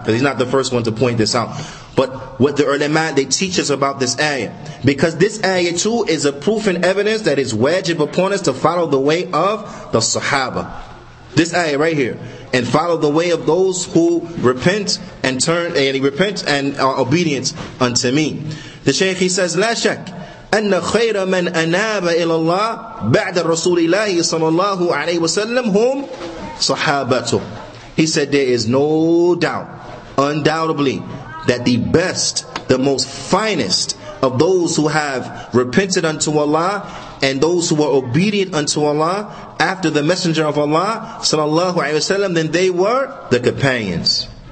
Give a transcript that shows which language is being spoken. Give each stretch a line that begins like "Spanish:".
English: Because he's not the first one to point this out. But what the ulama, they teach us about this ayah. Because this ayah too is a proof and evidence that is wajib upon us to follow the way of the Sahaba. This ayah right here. And follow the way of those who repent and turn, and repent and are obedient unto me. The Shaykh, he says,
Arabic: لا شك أن خير من أناب إلى الله بعد رسول الله صلى الله عليه وسلم هم صحابته.
English: He said, there is no doubt, undoubtedly, that the best, the most finest of those who have repented unto Allah and those who were obedient unto Allah after the Messenger of Allah sallallahu alaihi wasallam, then they were the companions.